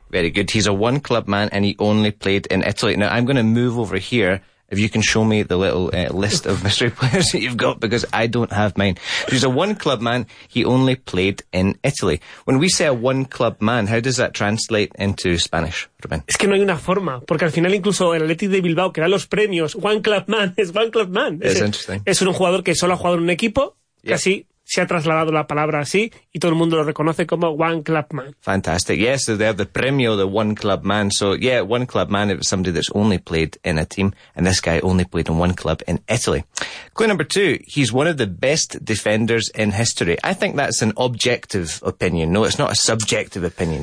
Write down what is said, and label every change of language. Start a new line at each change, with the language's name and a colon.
English: Very good. He's a one-club man and he only played in Italy. Now, I'm going to move over here if you can show me the little list of mystery players that you've got, because I don't have mine. He's a one-club man. He only played in Italy. When we say a one-club man, how does that translate into Spanish, Rubén?
Spanish: Es que no hay una forma, porque al final incluso el Athletic de Bilbao, que da los premios, one-club man, es one-club man.
English: It's interesting.
Spanish: Es un jugador que solo ha jugado en un equipo, casi... se ha trasladado la palabra así y todo el mundo lo reconoce como One Club Man.
English: Fantastic. Yes, so they have the premio, the One Club Man. So, yeah, One Club Man is somebody that's only played in a team, and this guy only played in one club in Italy. Clue number two, he's one of the best defenders in history. I think that's an objective opinion. No, it's not a subjective opinion.